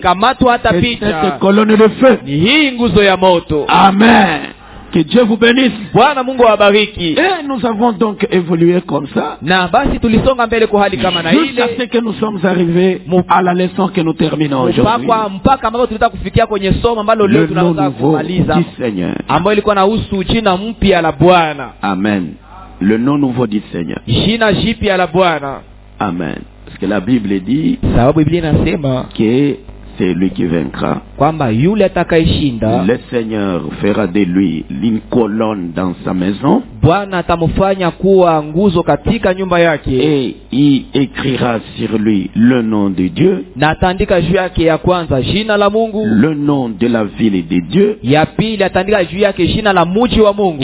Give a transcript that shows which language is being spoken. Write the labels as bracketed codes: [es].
[fr] cette colonne de feu. Amen. Que Dieu vous bénisse. [sw] Bwana Mungu abariki. [fr] Et nous avons donc évolué comme ça. [sw] Na basi tulisonga mbele kwa hali kama na ile. [fr] Jusqu'à ce que nous sommes arrivés à la leçon que nous terminons aujourd'hui. [sw] Mpaka ambapo tulitaka kufikia kwenye somo ambalo leo tunataka kumaliza. [fr] Le nom nouveau du Seigneur. [sw] Ambao ilikuwa na uhusu jina mpya la Bwana. [fr] Amen. Le nom nouveau du Seigneur. [sw] Jina jipya la Bwana. [fr] Amen. Parce que la Bible dit. [sw] Sababu Biblia inasema [fr] que c'est lui qui vaincra. [sw] Kwamba yule atakayeshinda, [fr] le Seigneur fera de lui une colonne dans sa maison. [sw] Bwana atamfanya kuwa nguzo katika nyumba yake. [fr] Et il écrira sur lui le nom de Dieu. [sw] Na atandika juu yake ya kwanza jina la Mungu. [fr] Le nom de la ville de Dieu. [sw] Ya pili atandika juu yake jina la mji wa Mungu.